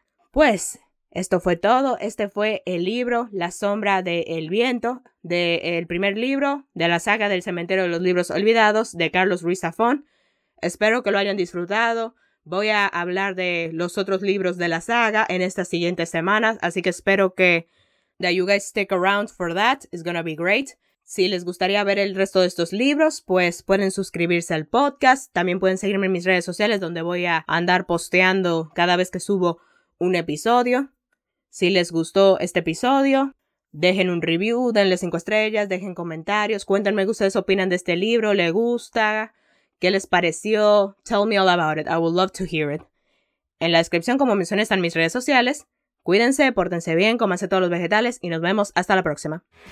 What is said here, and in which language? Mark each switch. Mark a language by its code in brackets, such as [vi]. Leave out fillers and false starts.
[es] Pues, esto fue todo. Este fue el libro La Sombra del Viento, del primer libro de la saga del Cementerio de los Libros Olvidados, de Carlos Ruiz Zafón. Espero que lo hayan disfrutado. Voy a hablar de los otros libros de la saga en estas siguientes semanas, así que espero que... [en] that you guys stick around for that, it's gonna be great. [es] Si les gustaría ver el resto de estos libros, pues pueden suscribirse al podcast. También pueden seguirme en mis redes sociales, donde voy a andar posteando cada vez que subo un episodio. Si les gustó este episodio, dejen un review, denle 5 estrellas, dejen comentarios, cuéntenme qué ustedes opinan de este libro, le gusta, qué les pareció. [en] Tell me all about it, I would love to hear it. [es] En la descripción, como mencioné, están mis redes sociales. Cuídense, pórtense bien, cómanse todos los vegetales y nos vemos hasta la próxima.